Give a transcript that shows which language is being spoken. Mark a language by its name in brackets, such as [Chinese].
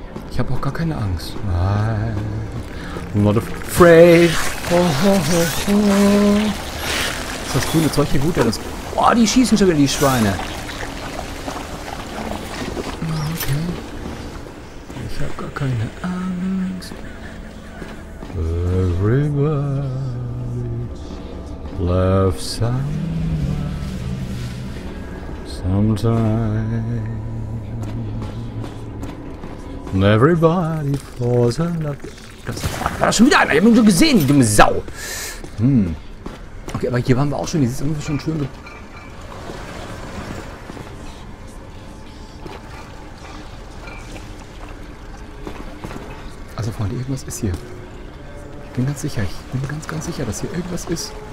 [German] Ich habe auch gar keine Angst. [English] I'm not afraid. [German] Ist das coole Zeug hier gut, ja? Das. Oh, die schießen schon wieder, die Schweine. Okay. Ich habe gar keine Angst. [English] Everybody laughs sometimes. Everybody falls in love. [German] Das war schon wieder einer. Ich hab ihn schon gesehen, die dumme Sau. Okay, aber hier waren wir auch schon. Die sind irgendwie schon schön. Also Freunde, irgendwas ist hier. Ich bin ganz sicher. Ich bin ganz, ganz sicher, dass hier irgendwas ist.